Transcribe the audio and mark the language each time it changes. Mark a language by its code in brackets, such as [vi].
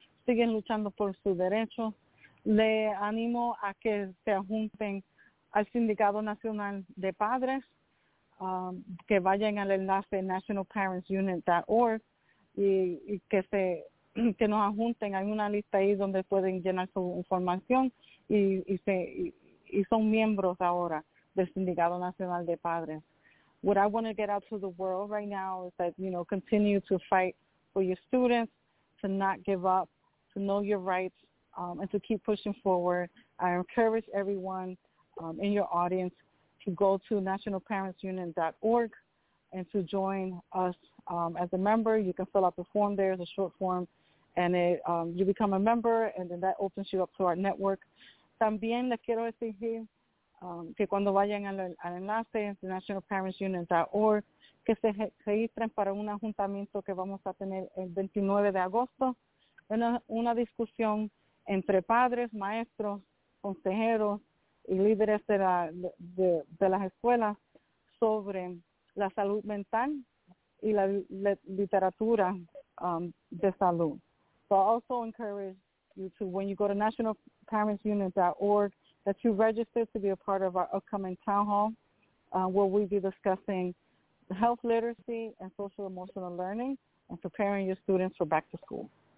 [es] siguen luchando por su derecho. Le animo a que se junten al Sindicato Nacional de Padres, que vayan al enlace nationalparentsunit.org y que nos ajunten. Hay una lista ahí donde pueden llenar su información y son miembros ahora del Sindicato Nacional de Padres. [en] What I want to get out to the world right now is that, you know, continue to fight for your students, to not give up, to know your rights, and to keep pushing forward. I encourage everyone in your audience to go to nationalparentsunion.org and to join us as a member. You can fill out the form there, the short form, and it, you become a member, and then that opens you up to our network. [es] También les quiero decir que cuando vayan al enlace de nationalparentsunion.org, que se registren para un ajuntamiento que vamos a tener el 29 de agosto, una discusión entre padres, maestros, consejeros y líderes de las escuelas sobre la salud mental y la literatura de salud. [en] So I also encourage you to, when you go to nationalparentsunion.org, that you register to be a part of our upcoming town hall, where we'll be discussing health literacy and social emotional learning and preparing your students for back to school.